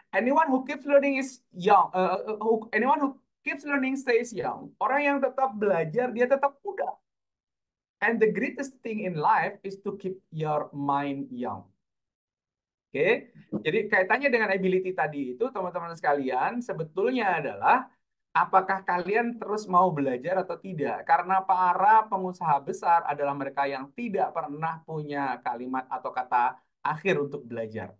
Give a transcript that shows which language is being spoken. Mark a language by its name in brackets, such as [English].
[English] Anyone who keeps learning is young. Anyone who keeps learning stays young. [Indonesian] Orang yang tetap belajar, dia tetap muda. [English] And the greatest thing in life is to keep your mind young. [Indonesian] Oke. Jadi kaitannya dengan ability tadi itu, teman-teman sekalian, sebetulnya adalah apakah kalian terus mau belajar atau tidak? Karena para pengusaha besar adalah mereka yang tidak pernah punya kalimat atau kata akhir untuk belajar.